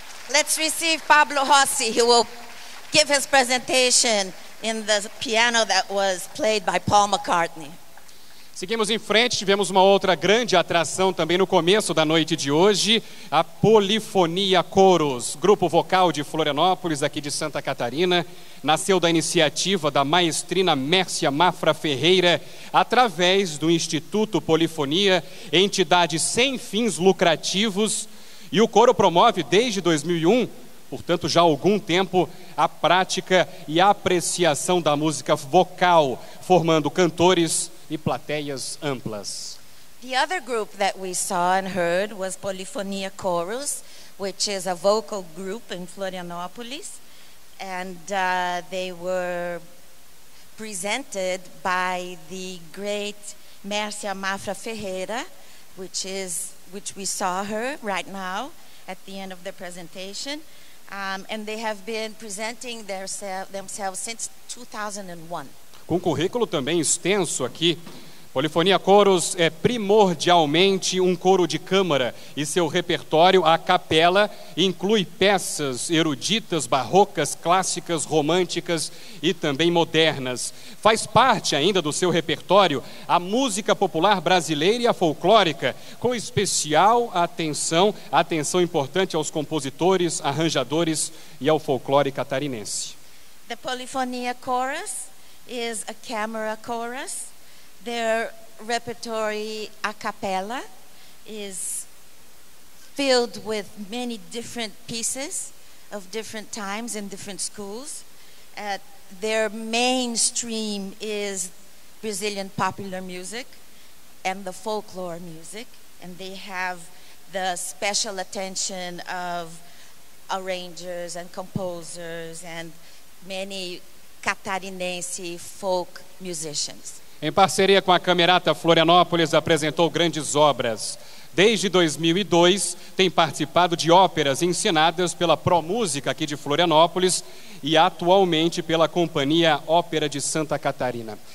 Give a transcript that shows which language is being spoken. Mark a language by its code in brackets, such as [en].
[en] Let's receive Pablo Rossi, who will give his presentation in the piano that was played by Paul McCartney. [pt] Seguimos em frente, tivemos uma outra grande atração também no começo da noite de hoje, a Polifonia Coros, grupo vocal de Florianópolis, aqui de Santa Catarina, nasceu da iniciativa da maestrina Mércia Mafra Ferreira, através do Instituto Polifonia, entidade sem fins lucrativos, e o coro promove desde 2001, portanto já há algum tempo, a prática e a apreciação da música vocal, formando cantores e plateias amplas. [en] The other group that we saw and heard was Polifonia Chorus, which is a vocal group in Florianópolis, and they were presented by the great Mércia Mafra Ferreira, which we saw her right now at the end of the presentation, and they have been presenting themselves since 2001. [pt] Com currículo também extenso aqui, Polifonia Coros é primordialmente um coro de câmara e seu repertório a capela inclui peças eruditas, barrocas, clássicas, românticas e também modernas. Faz parte ainda do seu repertório a música popular brasileira e a folclórica, com especial atenção importante aos compositores, arranjadores e ao folclore catarinense. [en] The Polifonia Chorus is a camera chorus. Their repertory a cappella is filled with many different pieces of different times in different schools. Their mainstream is Brazilian popular music and the folklore music, and they have the special attention of arrangers and composers and many catarinense folk musicians. [pt] Em parceria com a Camerata Florianópolis, apresentou grandes obras. Desde 2002, tem participado de óperas ensinadas pela Promúsica aqui de Florianópolis e atualmente pela Companhia Ópera de Santa Catarina.